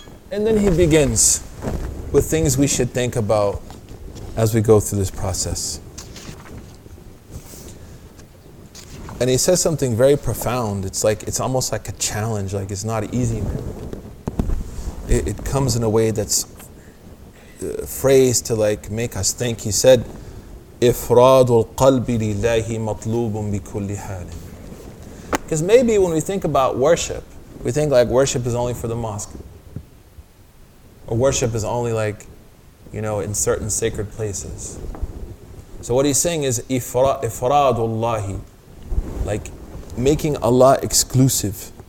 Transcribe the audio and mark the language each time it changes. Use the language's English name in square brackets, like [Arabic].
[English] And then he begins with things we should think about as we go through this process. And he says something very profound. It's like, it's almost like a challenge. Like, it's not easy, man. It comes in a way that's phrased to like make us think. He said, [Arabic] إفراد القلب لله مطلوب بكل حال. [English] Because maybe when we think about worship, we think like worship is only for the mosque. Or worship is only like, you know, in certain sacred places. So what he's saying is, [Arabic] إفراد الله, [English] like making Allah exclusive.